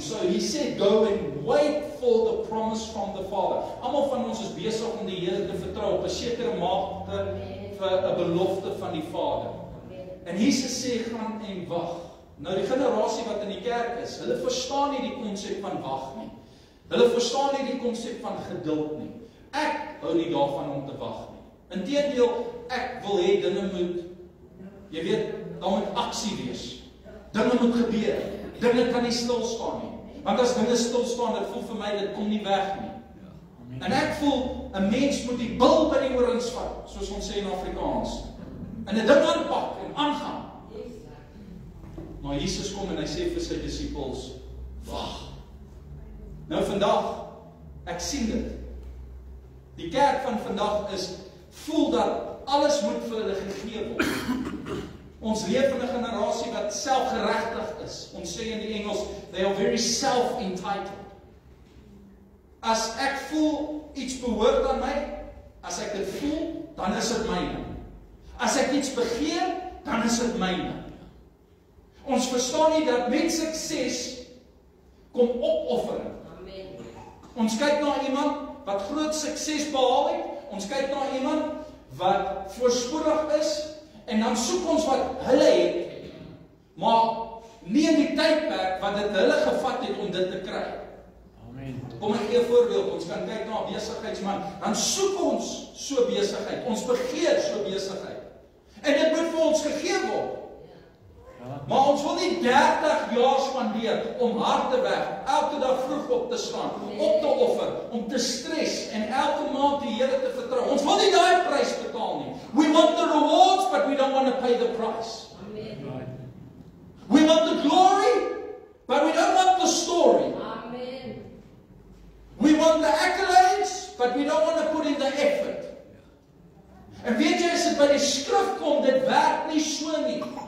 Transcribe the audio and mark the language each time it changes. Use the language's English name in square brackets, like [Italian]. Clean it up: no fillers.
[English] So he said, go and wait for the promise from the Father. [Afrikaans] Almal van ons is besig om die Here te vertrou op 'n sekere mate vir 'n belofte van die Vader. En Jesus sê, gaan en wag. Nou die generasie wat in die kerk is, hulle verstaan nie die konsep van wag nie. Hulle verstaan nie die konsep van geduld nie. Ek hou nie daarvan om te wag nie. Inteendeel, ek wil hê dinge moet, jy weet, daar moet aksie wees. Dinge moet gebeur. Dinge kan nie stilstaan nie. Want as dinge stilstaan, dit voel vir my, dit kom nie weg nie. En ek voel, 'n mens moet die bil by die horings vat, soos ons sê in Afrikaans. En 'n ding aanpak en aangaan. Maar Jesus kom en hy sê vir sy disippels, wag. Nou vandag, ek sien dit. Die kerk van vandag is, voel dat alles moet vir hulle gegee word. Ons leef in 'n generasie wat selfgeregtig is. Ons sê in die Engels, [English] they are very self-entitled. [Afrikaans] As ek voel iets behoort aan my, as ek dit voel, dan is dit myne. As ek iets begeer, dan is dit myne. Ons verstaan nie dat met sukses kom opoffering. Amen. Ons kyk na iemand wat groot sukses behaal het. Ons kyk na iemand wat voorspoedig is. En dan soek ons wat hulle het, maar nie in die tydperk wat dit hulle gevat het om dit te kry. Amen. Kom ek gee 'n voorbeeld, ons kan kyk na 'n besigheidsman, dan soek ons so besigheid, ons begeer so besigheid. En dit moet vir ons gegee word. Maar ons wil nie 30 jaar spandeer om hard te werk, elke dag vroeg op te staan, op te offer, om te stres en elke maand die Here te vertrou. Ons wil nie daai prys betaal nie. [English] We want the rewards, but we don't want to pay the price. Amen. We want the glory, but we don't want the story. Amen. We want the accolades, but we don't want to put in the effort. [Afrikaans] En weet jy, as dit by die skrif kom, dit werk nie so nie.